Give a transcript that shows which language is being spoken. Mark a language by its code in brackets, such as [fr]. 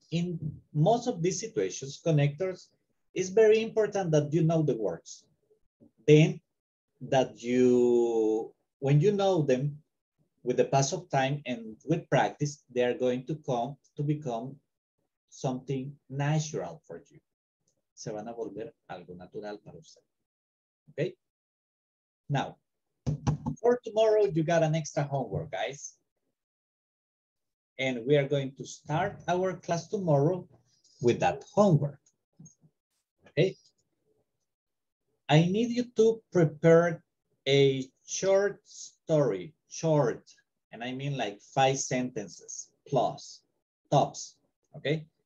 [en] In most of these situations, connectors, it's very important that you know the words. Then that you, when you know them with the pass of time and with practice, they are going to come to become something natural for you. [es] Se van a volver algo natural para usted. [en] Okay? Now, for tomorrow, you got an extra homework, guys. And we are going to start our class tomorrow with that homework. Okay? I need you to prepare a short story, short, and I mean like 5 sentences plus, tops, okay?